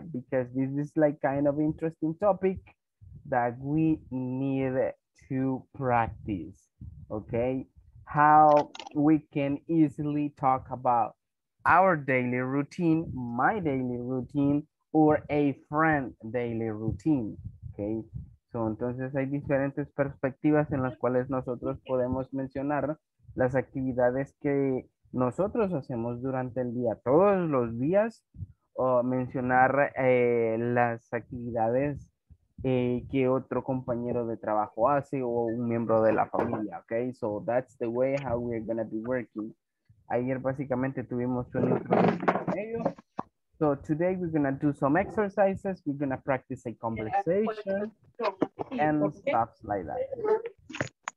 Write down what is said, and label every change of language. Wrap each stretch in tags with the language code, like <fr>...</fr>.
<en>Because this is like kind of interesting topic that we need to practice, okay? How we can easily talk about our daily routine, my daily routine, or a friend daily routine, okay?</en> <es>So entonces hay diferentes perspectivas en las cuales nosotros podemos mencionar las actividades que nosotros hacemos durante el día, todos los días, o mencionar las actividades que otro compañero de trabajo hace o un miembro de la familia, okay?</es> <en>So that's the way how we're gonna be working. Ayer básicamente tuvimos un ello. So today we're gonna do some exercises. We're gonna practice a conversation and stuff like that.</en>